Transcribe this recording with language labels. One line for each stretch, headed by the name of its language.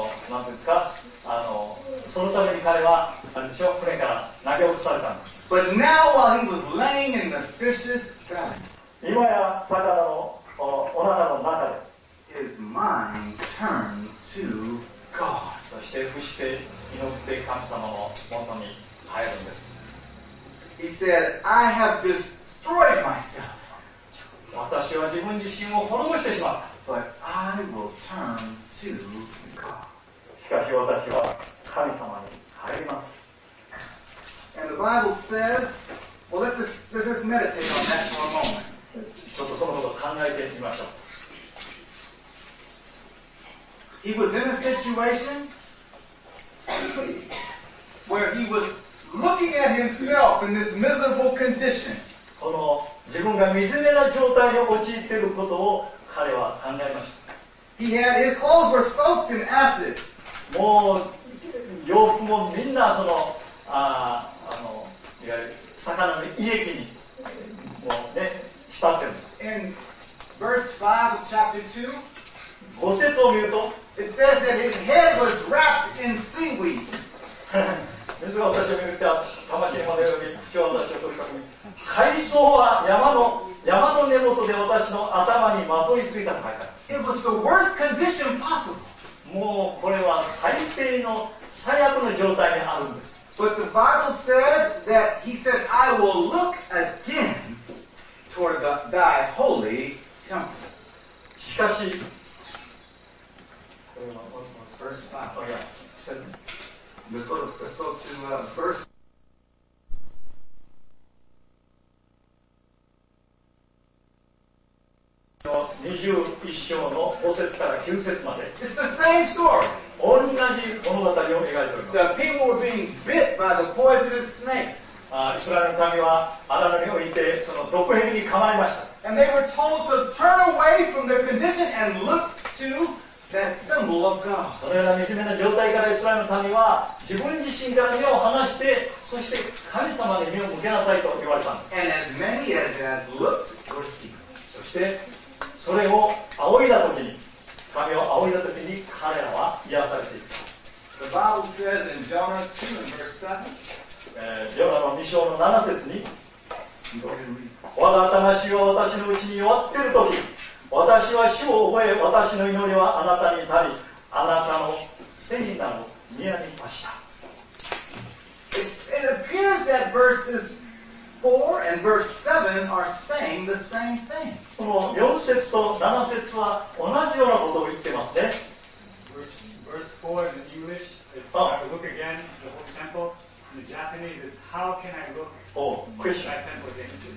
Japanese: なんていうんですか、そのために彼は、あれでしょ、船から投げ落とされたんです。
English: But now while he was laying in the fish's belly,
Japanese: 今や魚の お腹の中で、
English: his mind turned to God.
Japanese: そして伏して祈って神様の元に入るんです。
English: He said, I have destroyed myself.
Japanese: 私は自分自身を滅ぼしてしま
English: う。But I will turn to God.
Japanese: しかし私は神様に入ります。
English: And the Bible says, well, let's meditate on that for a moment.
Japanese: ちょっとそのことを考えてみましょう。
English: He was in a situation where he was looking at himself in this miserable condition.
Japanese: この自分が惨めな状態に陥っていることを彼は考えました。
English: He had his clothes were soaked in acid.
Japanese: もう洋服もみんなそのいわゆる魚の胃液にもうね浸ってるんです。
English: In verse 5 of chapter 2,
Japanese: 五節を見ると、
English: it says that his head was wrapped in seaweed.
Japanese: 水が私を巡って魂の骨を巡って口を私を取り囲み海藻は山の根元で私の頭にまといついたと書いてある。
English: It was the worst condition possible.
Japanese: もうこれは最低の最悪の状態にあるんです。
English: But the Bible says that he said I will look again toward thy holy temple.
Japanese: しかしこれは
English: what's the first part? Oh yeah, said
Japanese: 21章の5節から9節まで。
English: It's the same story.
Japanese: 同じ物語を描いております。
English: The people were being bit by the poisonous snakes.
Japanese: イスラエルの民はアラノにおいてその毒蛇に噛まれました。
English: And they were told to turn away from their condition and look to That symbol of God.
Japanese: そのような惨めな状態からイスラエルの民は自分自身から目を離してそして神様に目を向けなさいと言われたんです。
English: And as many as has looked or seen.
Japanese: そしてそれを仰いだ時に神を仰いだ時に彼らは癒されていた。
English: The Bible says in Jonah 2 and verse 7,
Japanese: ヨナの2章の7節に我が魂は私のうちに弱っている時私は主を覚え、私の祈りはあなたに至り、あなたの聖なる宮に達した。
English: It appears that verses 4 and verse 7 are saying the same thing.
Japanese: この4節と7節は同じようなことを言ってますね。
English: Verse 4 in English, it's like look again to the whole temple. In the Japanese, it's how can I look at that temple again?